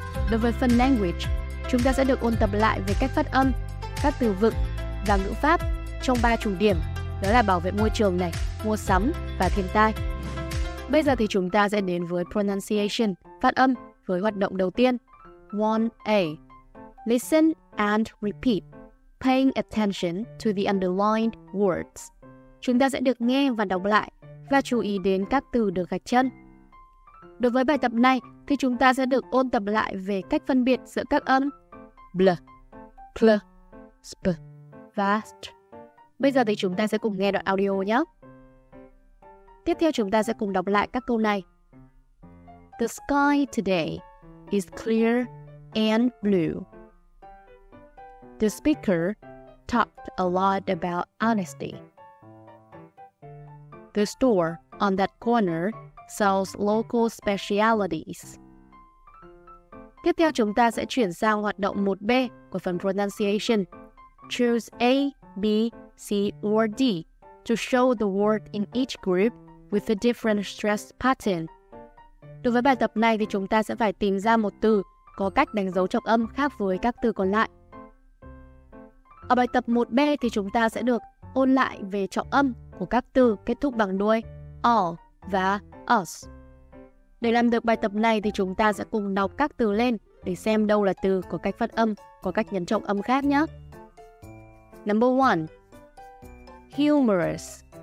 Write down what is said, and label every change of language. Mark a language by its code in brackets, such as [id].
[vi] Đối với phần Language, chúng ta sẽ được ôn tập lại về cách phát âm, các từ vựng và ngữ pháp trong 3 chủ điểm, đó là bảo vệ môi trường này, mua sắm và thiên tai. Bây giờ thì chúng ta sẽ đến với pronunciation, phát âm, với hoạt động đầu tiên. 1A. [en] Listen and repeat, paying attention to the underlined words. [vi] Chúng ta sẽ được nghe và đọc lại và chú ý đến các từ được gạch chân. Đối với bài tập này thì chúng ta sẽ được ôn tập lại về cách phân biệt giữa các âm bl, pl, sp và st. Bây giờ thì chúng ta sẽ cùng nghe đoạn audio nhé. Tiếp theo chúng ta sẽ cùng đọc lại các câu này. [en] The sky today is clear and blue. The speaker talked a lot about honesty. The store on that corner sells local specialities. [vi] Tiếp theo chúng ta sẽ chuyển sang hoạt động 1B của phần pronunciation. [en] Choose A, B, C or D to show the word in each group with a different stress pattern. [vi] Đối với bài tập này thì chúng ta sẽ phải tìm ra một từ có cách đánh dấu trọng âm khác với các từ còn lại. Ở bài tập 1B thì chúng ta sẽ được ôn lại về trọng âm của các từ kết thúc bằng đuôi all và us. Để làm được bài tập này thì chúng ta sẽ cùng đọc các từ lên để xem đâu là từ có cách phát âm, có cách nhấn trọng âm khác nhé. [en] Number 1. Humorous.